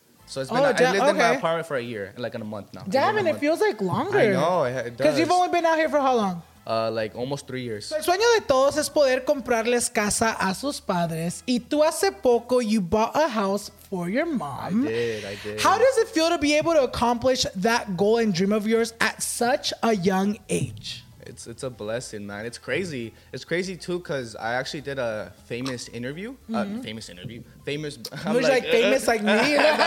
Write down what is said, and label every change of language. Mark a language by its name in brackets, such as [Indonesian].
[English] So it's been, I lived in my apartment for a year, like in a month now. Damn, it feels like longer. I know, it does. Because you've only been out here for how long? Like almost 3 years. [Spanish] El sueño de todos es poder comprarles casa a sus padres. Y tú hace poco, [English] you bought a house for your mom. I did. How does it feel to be able to accomplish that goal and dream of yours at such a young age? It's a blessing, man. It's crazy. It's crazy too, because I actually did a famous interview. Mm-hmm. Famous. I'm like famous like me.